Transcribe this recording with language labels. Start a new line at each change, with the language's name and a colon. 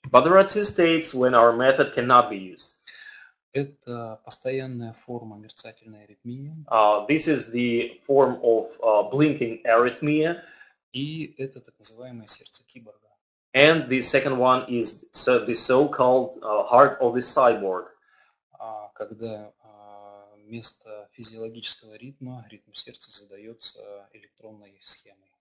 English: But there are two states when our method cannot be used.
Russian: Это постоянная форма мерцательной аритмии.
English: This is the form of blinking arrhythmia.
Russian: И это так называемое сердце киборга.
English: And the second one is the so-called heart of the cyborg.
Russian: Когда вместо физиологического ритма ритм сердца задается электронной схемой.